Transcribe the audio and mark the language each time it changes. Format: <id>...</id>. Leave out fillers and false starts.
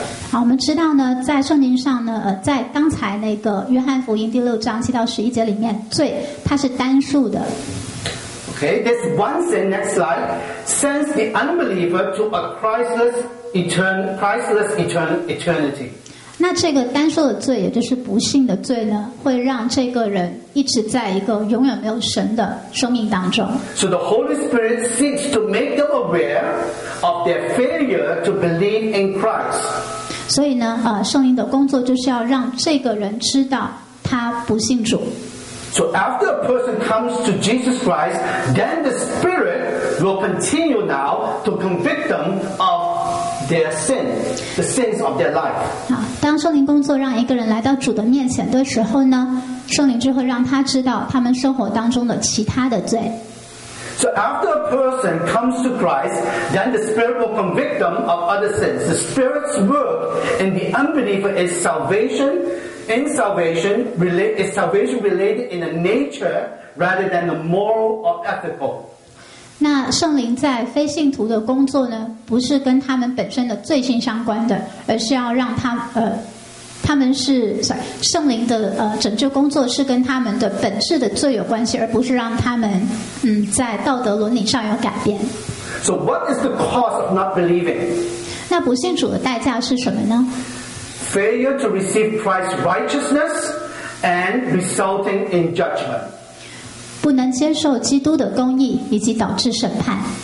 <zh>好，我们知道呢，在圣经上呢，在刚才那个约翰福音第六章七到十一节里面，罪它是单数的。</zh> <en>Okay, this one sin, next slide, sends the unbeliever to a priceless eternity.</en> <zh>那这个单数的罪，也就是不信的罪呢，会让这个人一直在一个永远没有神的生命当中。</zh> <en>So the Holy Spirit seeks to make them aware. Of their failure to believe in Christ.</en> <zh>所以呢，圣灵的工作就是要让这个人知道他不信主。</zh> <en>So after a person comes to Jesus Christ, then the Spirit will continue now to convict them of their sin, the sins of their life.</en> <zh>好，当圣灵工作让一个人来到主的面前的时候呢，圣灵就会让他知道他们生活当中的其他的罪。</zh> <en>So after a person comes to Christ, then the Spirit will convict them of other sins. The Spirit's work in the unbeliever is salvation. In salvation, is salvation related in a nature rather than the moral or ethical.</en> <zh>那圣灵在非信徒的工作呢，不是跟他们本身的罪性相关的，而是要让他他们是 sorry, 圣灵的拯救工作是跟他们的本质的罪有关系，而不是让他们在道德伦理上有改变。</zh> <en>So what is the cost of not believing?</en> <zh>那不信主的代价是什么呢？</zh> <en>Failure to receive Christ's righteousness and resulting in judgment.</en> <zh>不能接受基督的公义以及导致审判。</zh>